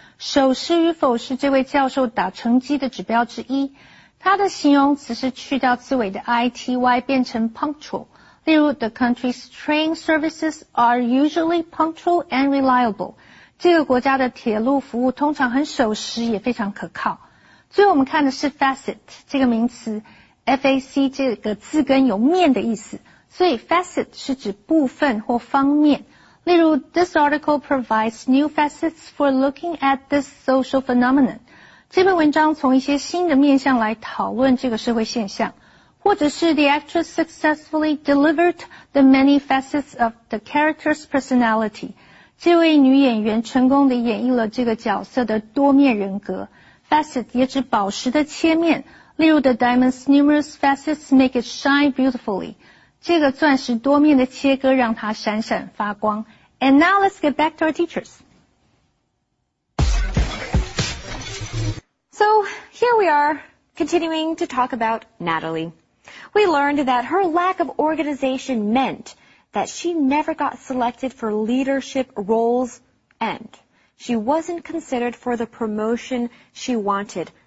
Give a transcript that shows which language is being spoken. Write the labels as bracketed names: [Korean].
[Chinese] 守时与否是这位教授打成绩的指标之一。它的形容词是去掉字尾的 ity 变成 punctual. [English] 例如 the country's train services are usually punctual and reliable. [Chinese] 这个国家的铁路服务通常很守时也非常可靠。最后我们看的是 facet, 这个名词 ,fac 这个字根有面的意思。所以 facet 是指部分或方面。例如 , [English] this article provides new facets for looking at this social phenomenon. [Chinese] 这篇文章从一些新的面向来讨论这个社会现象，或者是 [English] The actress successfully delivered the many facets of the character's personality. [Chinese] 这位女演员成功地演绎了这个角色的多面人格。 Facet 也指宝石的切面，例如 [English] The diamond's numerous facets make it shine beautifully. [Chinese] 这个钻石多面的切割让它闪闪发光。 [English] And now let's get back to our teachers. So here we are, continuing to talk about Natalie. We learned that her lack of organization meant that she never got selected for leadership roles and she wasn't considered for the promotion she wanted.